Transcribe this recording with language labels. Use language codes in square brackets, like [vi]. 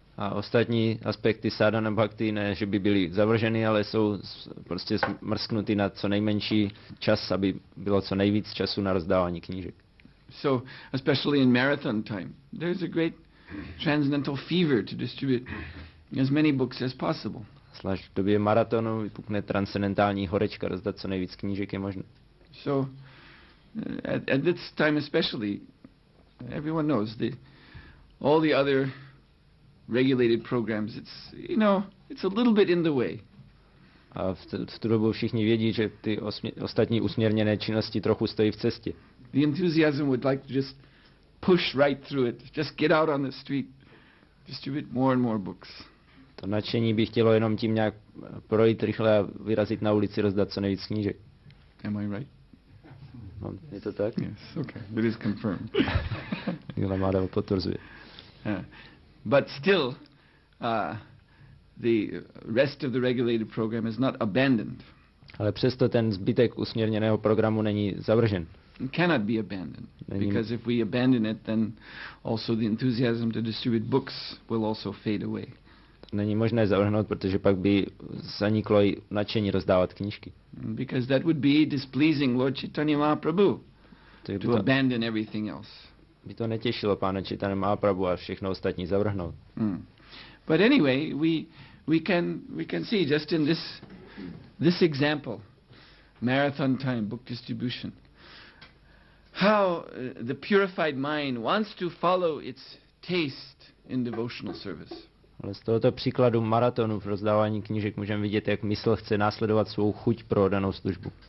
[cs] A ostatní aspekty sadhana bhakti, ne, že by byly zavrženy, ale jsou prostě smrsknuty na co nejmenší čas, aby bylo co nejvíc času na rozdávání knížek. [en] So, especially in marathon time, there's a great transcendental fever to distribute as many books as possible. [cs] Zvlášť v době maratonu vypukne transcendentální horečka rozdat co nejvíc knížek je možné. [en] So at this time especially, everyone knows the all the other regulated programs, it's, you know, it's a little bit in the way. [cs] A v tu dobu všichni vědí, že ty ostatní usměrněné činnosti trochu stojí v cestě. [en] The enthusiasm would like to just push right through it, just get out on the street, distribute more and more books. [cs] to nadšení by chtělo jenom tím nějak projít rychle a vyrazit na ulici, rozdat co nejvíc knížek. [en] Am I right? [cs] Je to tak? [en] Yes, okay. It is confirmed. [cs] Jo, máme to potvrzuje. [en] But still, the rest of the regulated program is not abandoned. [cs] Ale přesto ten zbytek usměrněného programu není zavržen. [en] It cannot be abandoned, because if we abandon it, then also the enthusiasm to distribute books will also fade away. [cs] Není možné zavrhnout, protože pak by zaniklo i nadšení rozdávat knížky. [en] Because that would be displeasing Lord Chaitanya Mahaprabhu to abandon everything else. [cs] By to netěšilo pána Chaitanya Mahaprabhu a všechno ostatní zavrhnout. [en] But anyway, we can see just in this example, marathon time book distribution, how the purified mind wants to follow its taste in devotional service. [cs] Ale z tohoto příkladu maratonu v rozdávání knížek můžeme vidět, jak mysl chce následovat svou chuť pro danou službu.